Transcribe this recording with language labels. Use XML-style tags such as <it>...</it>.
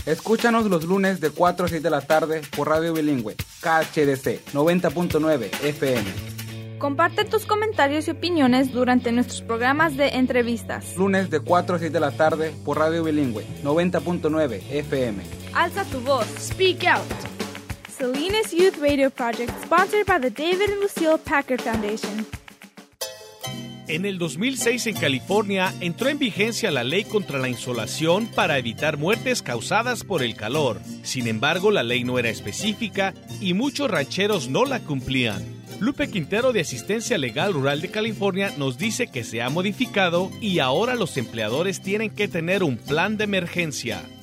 <es>Escúchanos los lunes de 4 a 6 de la tarde por Radio Bilingüe, KHDC 90.9 FM. Comparte tus comentarios y opiniones durante nuestros programas de entrevistas. Lunes de 4 a 6 de la tarde por Radio Bilingüe, 90.9 FM. Alza tu voz. Speak out.</es> <en>Salinas Youth Radio Project, sponsored by the David and Lucille Packer Foundation.</en> <es>En el 2006 en California entró en vigencia la ley contra la insolación para evitar muertes causadas por el calor. Sin embargo, la ley no era específica y muchos rancheros no la cumplían. Lupe Quintero de Asistencia Legal Rural de California nos dice que se ha modificado y ahora los empleadores tienen que tener un plan de emergencia.</es>